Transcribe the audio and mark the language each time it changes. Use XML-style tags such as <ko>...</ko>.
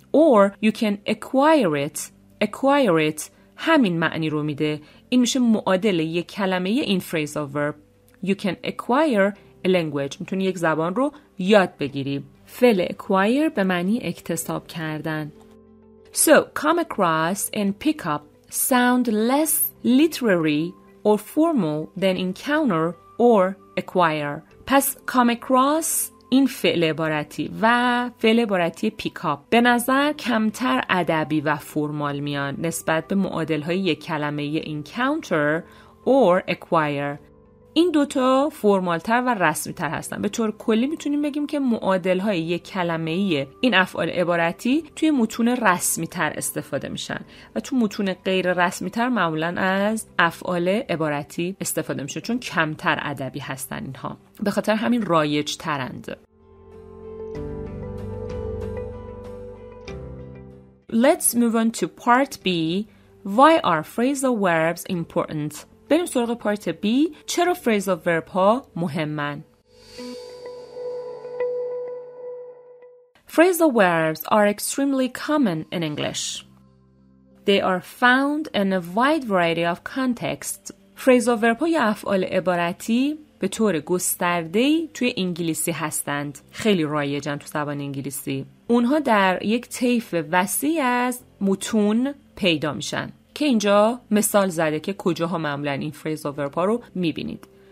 <en>Or you can acquire it.</en> <fa>Acquire it همین معنی رو میده. این میشه معادل یک کلمه ی این phrase of verb.</fa> <en>You can acquire a language.</en> <fa>میتونی یک زبان رو یاد بگیری. فعل acquire به معنی اکتساب کردن.</fa> <en>So, come across and pick up sound less literary or formal than encounter or acquire.</en> <fa>پس come across این فعل عبارتی و فعل عبارتی pick up به نظر کمتر ادبی و فرمال میان نسبت به معادل‌های یک کلمه encounter or acquire. این دوتا فرمالتر و رسمیتر هستن. به طور کلی میتونیم بگیم که معادلهای یک کلمه ای این افعال عبارتی توی متون رسمیتر استفاده میشن و تو متون غیر رسمیتر معمولا از افعال عبارتی استفاده میشه چون کمتر ادبی هستن اینها. به خاطر همین رایج ترند.</fa> <en>Let's move on to part B. Why are phrasal verbs important?</en> <fa>بریم سراغ پارت B. چرا فریزال ورب ها مهمن؟</fa> <en>Phrasal verbs are extremely common in English. They are found in a wide variety of contexts.</en> <fa>فریزال ورب ها یا افعال عبارتی به طور گسترده‌ای توی انگلیسی هستند. خیلی رایجن تو زبان انگلیسی. اونها در یک طیف وسیع از متون پیدا میشن. که اینجا مثال زده که کجاها معمولاً این phrasal verb ها رو میبینید.</fa>